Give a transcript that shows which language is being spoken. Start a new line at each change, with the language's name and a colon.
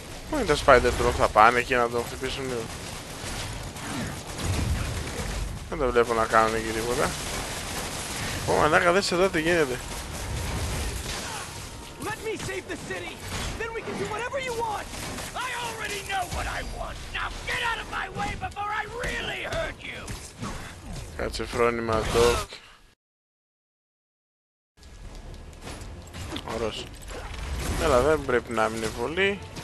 Greek: Πού είναι τα Spider Drone, θα πάνε εκεί να τον χτυπήσουν λίγο? Δεν τα βλέπω να κάνουν εκεί τίποτα. Ω, μαλάκα, δες εδώ τι γίνεται.
English: Let me save the city. Then we can do whatever you want. I already know what I want. Now get out of my way before I really hurt you.
Greek: Κάτσε φρόνημα, Doc. Ωρος. Έλα, δεν πρέπει να μείνει πολύ.